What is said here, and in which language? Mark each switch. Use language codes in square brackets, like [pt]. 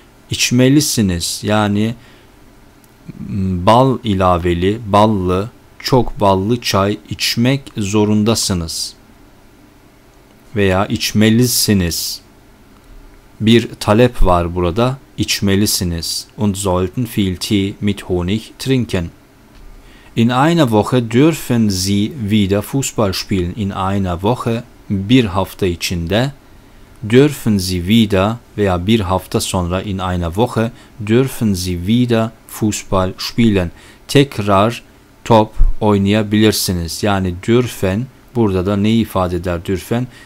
[tr] İçmelisiniz, yani bal ilaveli, ballı, çok ballı çay içmek zorundasınız. Veya içmelisiniz. Bir talep var burada, içmelisiniz. [de] Und sollten viel Tee mit Honig trinken. In einer Woche dürfen Sie wieder Fußball spielen. In einer Woche, [tr] bir hafta içinde, [de] dürfen Sie wieder [tr] veya bir hafta sonra, [de] in einer Woche, dürfen Sie wieder Fußball spielen. [tr] Tekrar top oynayabilirsiniz. Yani dürfen, burada da ne ifade eder dürfen?